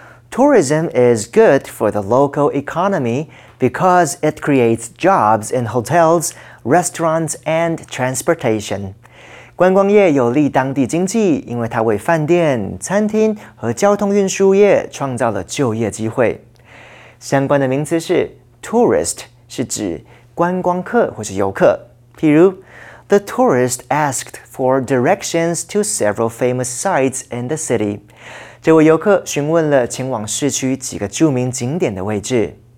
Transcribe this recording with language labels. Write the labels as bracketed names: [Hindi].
[English] tourism is good for the local economy because it creates jobs in hotels, restaurants, and transportation. [Chinese] 观光业有利当地经济，因为它为饭店、餐厅和交通运输业创造了就业机会。相关的名词是 tourist， 是指观光客或是游客。譬如 [English] ，The tourist asked for directions to several famous sites in the city。 [Chinese] 这位游客询问了前往市区几个著名景点的位置。